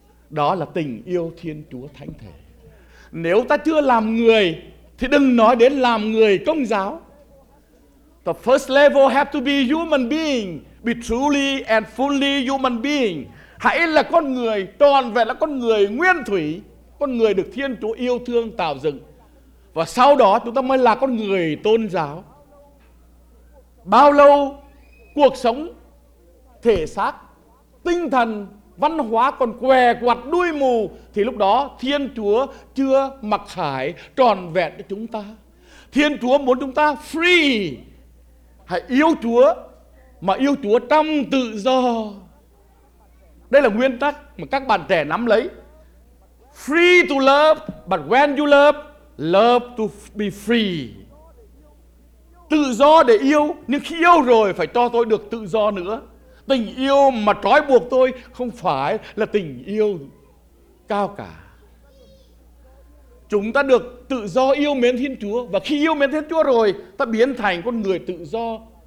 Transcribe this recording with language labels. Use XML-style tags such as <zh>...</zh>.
<vi>Đó là tình yêu Thiên Chúa Thánh Thể. Nếu ta chưa làm người thì đừng nói đến làm người Công giáo.</vi> <en>The first level have to be human being. Be truly and fully human being.</en> <vi>Hãy là con người toàn vẹn, là con người nguyên thủy, con người được Thiên Chúa yêu thương tạo dựng. Và sau đó chúng ta mới là con người tôn giáo. Bao lâu cuộc sống thể xác, tinh thần, văn hóa còn què quặt đuôi mù, thì lúc đó Thiên Chúa chưa mặc khải trọn vẹn cho chúng ta. Thiên Chúa muốn chúng ta free. Hãy yêu Chúa, mà yêu Chúa trong tự do. Đây là nguyên tắc mà các bạn trẻ nắm lấy.</vi> <en>Free to love, but when you love, love to be free.</en> <vi>Tự do để yêu, nhưng khi yêu rồi phải cho tôi được tự do nữa. Tình yêu mà trói buộc tôi không phải là tình yêu cao cả. Chúng ta được tự do yêu mến Thiên Chúa. Và khi yêu mến Thiên Chúa rồi, ta biến thành con người tự do.</vi>